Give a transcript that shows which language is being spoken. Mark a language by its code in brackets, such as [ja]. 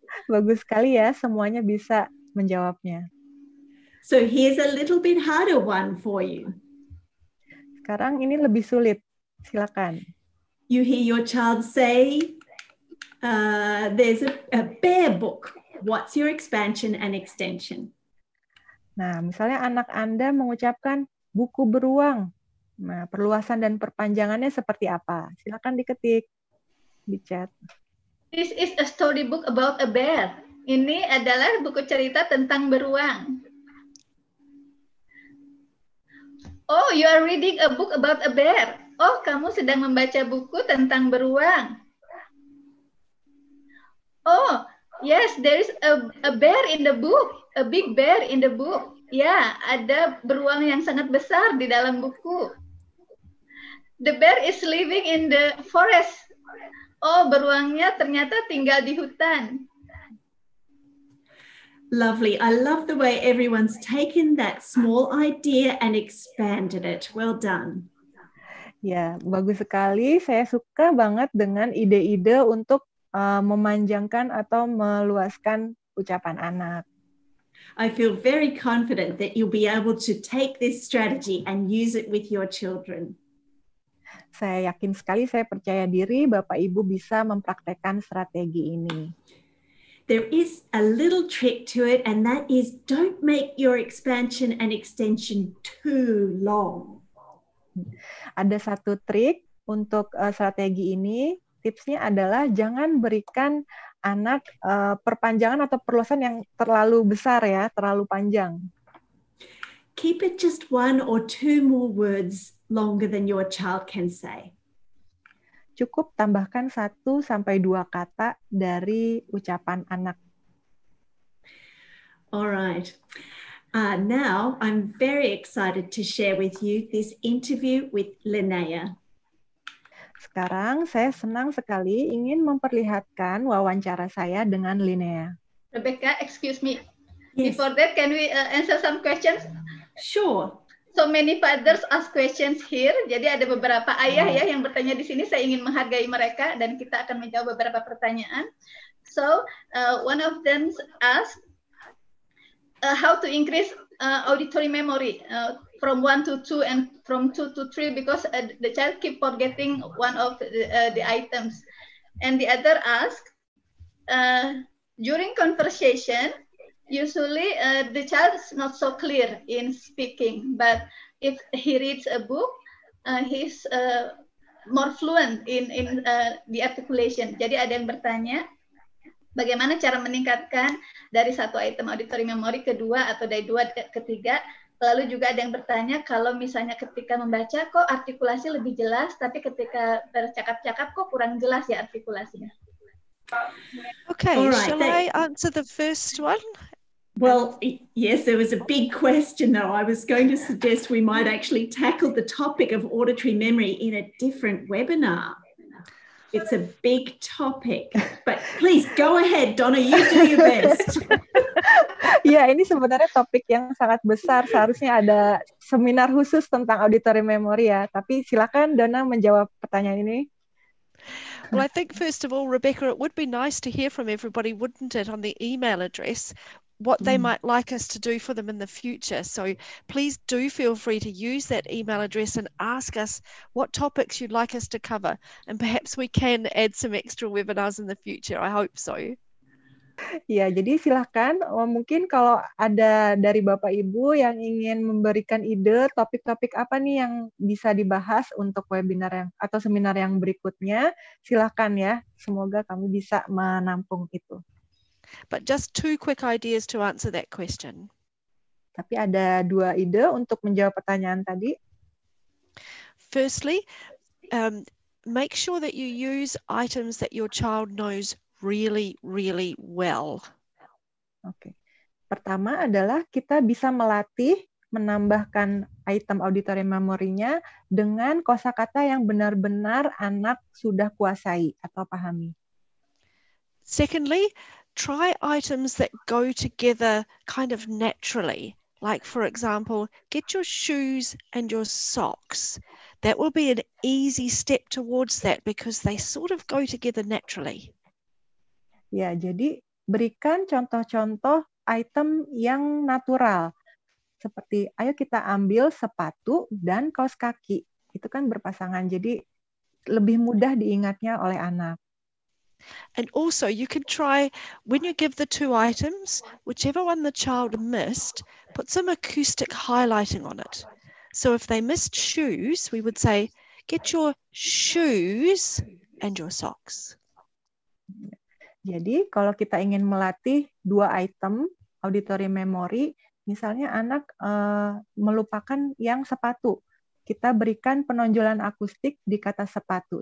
[id] Bagus sekali ya, semuanya bisa menjawabnya. [en] So here's a little bit harder one for you. [id] Sekarang ini lebih sulit. Silakan. [en] You hear your child say, there's a bear book. What's your expansion and extension? [id] Nah, misalnya anak Anda mengucapkan buku beruang. Nah, perluasan dan perpanjangannya seperti apa? Silakan diketik. Di chat. [en] This is a storybook about a bear. [id] Ini adalah buku cerita tentang beruang. [en] Oh, you are reading a book about a bear. [id] Oh, kamu sedang membaca buku tentang beruang. [en] Oh, yes, there is a bear in the book. A big bear in the book. [id] Ya, yeah, ada beruang yang sangat besar di dalam buku. [en] The bear is living in the forest. [id] Oh, beruangnya ternyata tinggal di hutan. [en] Lovely. I love the way everyone's taken that small idea and expanded it. Well done. [id] Ya, bagus sekali. Saya suka banget dengan ide-ide untuk memanjangkan atau meluaskan ucapan anak. [en] I feel very confident that you'll be able to take this strategy and use it with your children. [id] Saya yakin sekali, saya percaya diri Bapak Ibu bisa mempraktekkan strategi ini. [en] There is a little trick to it, and that is don't make your expansion and extension too long. [id] Ada satu trik untuk strategi ini. Tipsnya adalah jangan berikan anak perpanjangan atau perluasan yang terlalu besar ya, terlalu panjang. [en] Keep it just one or two more words longer than your child can say. [id] Cukup tambahkan 1-2 kata dari ucapan anak. [en] All right. Now I'm very excited to share with you this interview with Linnea. [id] Sekarang saya senang sekali ingin memperlihatkan wawancara saya dengan Linnea. [en] Rebecca, excuse me. Yes. Before that, can we answer some questions? Sure. So many fathers ask questions here. [id] Jadi ada beberapa ayah ya yang bertanya di sini. Saya ingin menghargai mereka dan kita akan menjawab beberapa pertanyaan. [en] So one of them ask how to increase auditory memory from 1 to 2 and from 2 to 3 because the child keep forgetting one of the items. And the other ask during conversation. Usually, the child is not so clear in speaking, but if he reads a book, he's more fluent in the articulation. [id] Jadi ada yang bertanya, bagaimana cara meningkatkan dari satu item auditory memory ke 2 atau dari 2 ke 3? Lalu juga ada yang bertanya, kalau misalnya ketika membaca, kok artikulasi lebih jelas, tapi ketika bercakap-cakap, kok kurang jelas ya artikulasinya? [en] Okay, right, shall I answer the first one? Well, yes, there was a big question though. I was going to suggest we might actually tackle the topic of auditory memory in a different webinar. It's a big topic, but please go ahead, Donna, you do your best. [id] Ya, ini sebenarnya topik yang sangat besar. Seharusnya ada seminar khusus tentang auditory memory ya. Tapi silakan Donna menjawab pertanyaan ini. [en] Well, I think first of all, Rebecca, it would be nice to hear from everybody, wouldn't it, on the email address, what they might like us to do for them in the future. So please do feel free to use that email address and ask us what topics you'd like us to cover. And perhaps we can add some extra webinars in the future. I hope so. [id] Ya, jadi silakan. Mungkin kalau ada dari Bapak Ibu yang ingin memberikan ide topik-topik apa nih yang bisa dibahas untuk webinar yang atau seminar yang berikutnya, silakan ya. Semoga kami bisa menampung itu. [en] But just two quick ideas to answer that question. [id] Tapi ada dua ide untuk menjawab pertanyaan tadi. [en] Firstly, make sure that you use items that your child knows really, really well. Okay. [id] Pertama adalah kita bisa melatih menambahkan item auditory memory-nya dengan kosakata yang benar-benar anak sudah kuasai atau pahami. [en] Secondly, try items that go together kind of naturally. Like for example, get your shoes and your socks. That will be an easy step towards that because they sort of go together naturally. [id] Ya, jadi berikan contoh-contoh item yang natural. Seperti ayo kita ambil sepatu dan kaos kaki. Itu kan berpasangan, jadi lebih mudah diingatnya oleh anak. [en] And also you can try, when you give the two items, whichever one the child missed, put some acoustic highlighting on it. So if they missed shoes, we would say, get your shoes and your socks. [id] Jadi kalau kita ingin melatih dua item auditory memory, misalnya anak melupakan yang sepatu, kita berikan penonjolan akustik di kata sepatu.